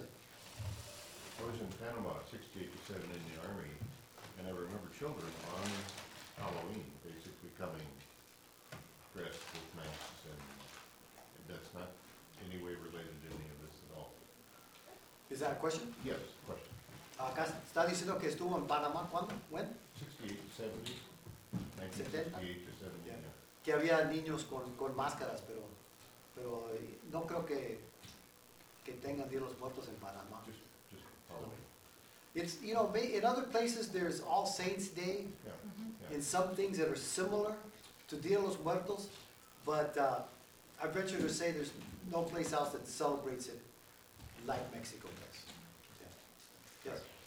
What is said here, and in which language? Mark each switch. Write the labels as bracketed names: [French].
[English] I was in Panama, 68 to 70, in the Army, and I remember children on Halloween basically coming dressed with masks, and that's not any way related to any of this at all. Is that a question? Yes, question. [Spanish] Acá está diciendo que estuvo en Panamá, ¿cuándo? [English] When? 68 to 70. 1968 to 70. Yeah. [Spanish] Que había niños con máscaras, pero no creo que tengan Día de los Muertos en Panamá. [English] Just follow me. It's, you know, in other places there's All Saints Day, yeah. Mm-hmm. Yeah. And some things that are similar to Día de los Muertos, but I venture to say there's no place else that celebrates it like Mexico does. Yeah. Yes.